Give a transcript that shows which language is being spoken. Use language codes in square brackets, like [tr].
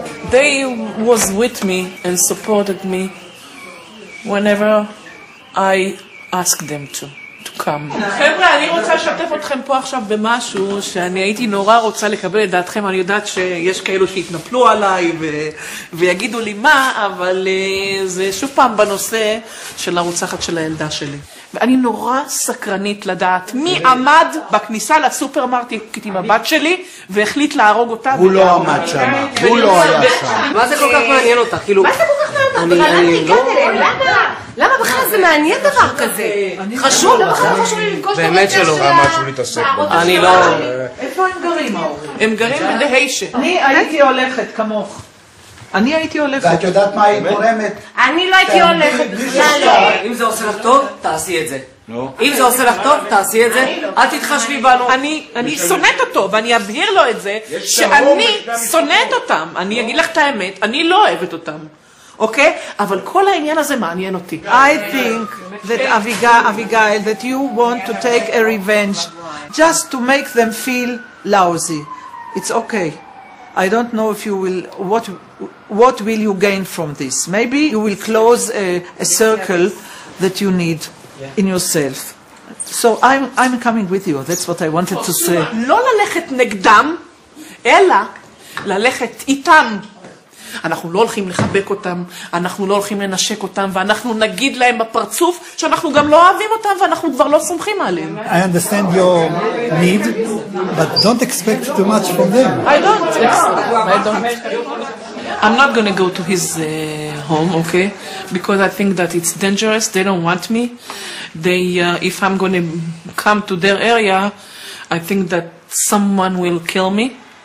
[en] They was with me and supported me whenever I asked them to come. [he] חבר'ה, אני רוצה לשתף אתכם פה עכשיו במשהו שאני הייתי נורא רוצה לקבל את דעתכם. אני יודעת שיש כאלו שהתנפלו עליי ויגידו לי מה, אבל זה שוב פעם בנושא של הרוצחת של הילדה שלי. ואני נורא סקרנית לדעת מי עמד בכניסה לסופרמרקט עם הבת שלי והחליט להרוג אותה. הוא לא עמד שם, הוא לא היה שם. מה זה כל כך מעניין אותה? מה זה כל כך מעניין אותה? למה בכלל זה מעניין דבר כזה? חשוב, למה בכלל חשוב לי לפגוש את האמת שלו? באמת שלא, מה שהוא מתעסק בו. אני לא... איפה הם גרים? הם גרים בדהיישה. אני הייתי הולכת כמוך. אני הייתי הולכת. ואת יודעת מה היא גורמת? אני לא הייתי הולכת בכלל. אם זה עושה לך טוב, תעשי את זה. אם זה עושה לך טוב, תעשי את זה. אל תתחשבי בנו. אני שונאת אותו, ואני אבהיר לו את זה, שאני שונאת אותם. אני אגיד לך את האמת, אני לא אוהבת אותם. אוקיי? אבל כל העניין הזה מעניין אותי. [en] I think that Abigail, that you want to take a revenge just to make them feel lousy. It's okay. I don't know if you will, what will you gain from this? Maybe you will close a circle that you need in yourself. So I'm coming with you, that's what I wanted to say. [he] לא ללכת נגדם, אלא ללכת איתם. אנחנו לא הולכים לחבק אותם, אנחנו לא הולכים לנשק אותם, ואנחנו נגיד להם בפרצוף שאנחנו גם לא אוהבים אותם ואנחנו כבר לא סומכים עליהם. [en] I understand your need, but don't expect too much from them. I don't. I'm not going to go to his home, okay? Because I think that it's dangerous, they don't want me. If I'm going to come to their area, I think that someone will kill me.